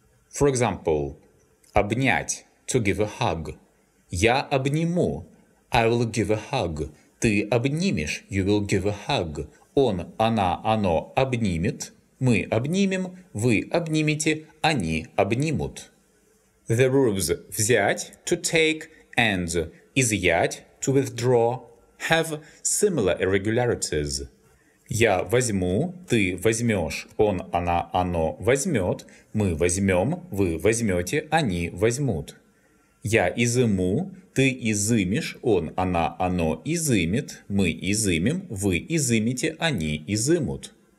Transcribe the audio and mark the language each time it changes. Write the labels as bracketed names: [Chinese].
[English] For example, обнять – to give a hug. [Russian] Я обниму [English] – I will give a hug. [Russian] Ты обнимешь [English] – you will give a hug. [Russian] Он, она, оно обнимет. Мы обнимем, вы обнимете, они обнимут. [English] The verbs взять – to take and изъять – to withdraw have similar irregularities. [Russian] Я возьму, ты возьмешь, он, она, оно возьмет, мы возьмем, вы возьмете, они возьмут. Я изыму, ты изымешь, он, она, оно изымет, мы изымем, вы изымете, они изымут.